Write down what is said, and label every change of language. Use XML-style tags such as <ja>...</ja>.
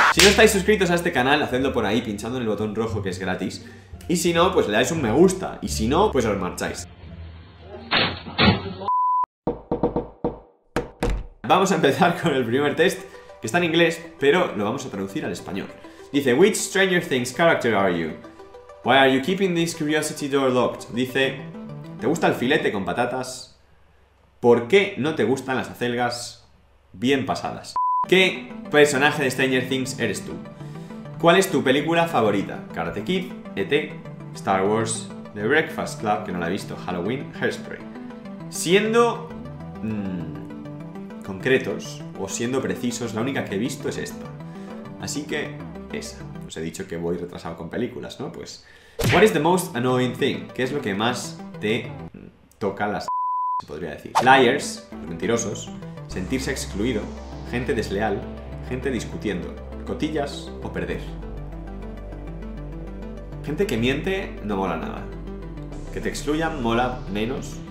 <es>Si no estáis suscritos a este canal, hacedlo por ahí, pinchando en el botón rojo que es gratis. Y si no, pues le dais un me gusta, y si no, pues os marcháis. Vamos a empezar con el primer test, que está en inglés, pero lo vamos a traducir al español. Dice,</es> <en>which Stranger Things character are you? Why are you keeping this curiosity door locked?</en> <es>Dice, ¿te gusta el filete con patatas? ¿Por qué no te gustan las acelgas bien pasadas? ¿Qué personaje de Stranger Things eres tú? ¿Cuál es tu película favorita? Karate Kid, E.T., Star Wars, The Breakfast Club, que no la he visto, Halloween, Hairspray. Siendo concretos o siendo precisos, la única que he visto es esta. Así que esa. Os he dicho que voy retrasado con películas, ¿no? Pues,</es> <en>what is the most annoying thing?</en> <es>¿Qué es lo que más te toca las se podría decir?</es> <en>Liars,</en> <es>los mentirosos, sentirse excluido, gente desleal, gente discutiendo, cotillas o perder. Gente que miente no mola nada. Que te excluyan mola menos.</es>